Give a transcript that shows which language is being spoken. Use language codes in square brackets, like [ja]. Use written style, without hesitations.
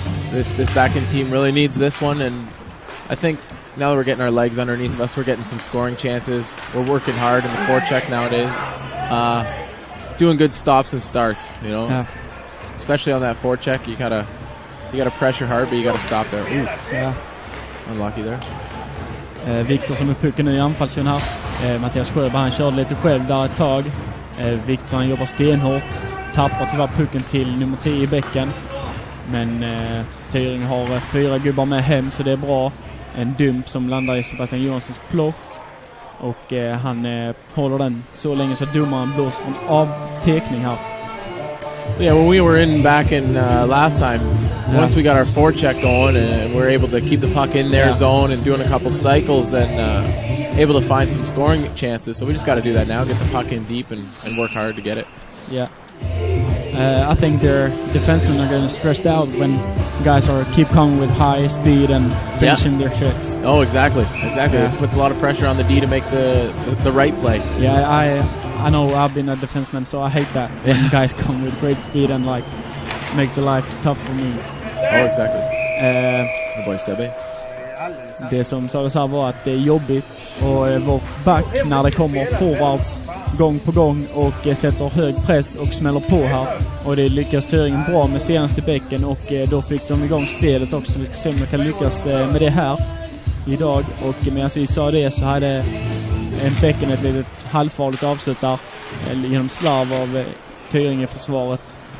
[en] This backend team really needs this one, and I think now that we're getting our legs underneath of us, we're getting some scoring chances. We're working hard in the forecheck nowadays. Doing good stops and starts, you know. Yeah. Especially on that forecheck, you gotta pressure hard, but you gotta stop there. Ooh. Yeah. Unlucky there. [sv] Victor som är pucken nu i anfallszon här. Mattias Sjöberg, han körde lite själv där ett tag. Victor, han jobbar stenhårt. Tappar tyvärr pucken till nummer 10 i bäcken. Men Tyring har 4 gubbar med hem, så det är bra. En dump som landar i Sebastian Johanssons plock. Och han håller den så länge så domaren blåser en avtekning här. [en] Yeah, when we were in back in last time, yeah. Once we got our forecheck going and we're able to keep the puck in their yeah. zone and doing a couple cycles and able to find some scoring chances. So we just got to do that now, get the puck in deep and work hard to get it. Yeah. I think their defensemen are getting stressed out when guys are keep coming with high speed and finishing yeah. their checks. Oh, exactly. Exactly. Yeah. Puts a lot of pressure on the D to make the right play. Yeah, I know I've been a defenseman, so I hate that when yeah. guys come with great speed and like make the life tough for me. Oh, exactly. Good boy, Sebe. [sv] Det som sades här var att det är jobbigt och vår back när det kommer forwards gång på gång och sätter hög press och smäller på här. Och det lyckas Turingen bra med senaste bäcken och då fick de igång spelet också. Vi ska se om de kan lyckas med det här idag. Och medan vi sa det så hade en bäcken ett litet halvfarligt avslut där genom slarv av Turingen försvaret.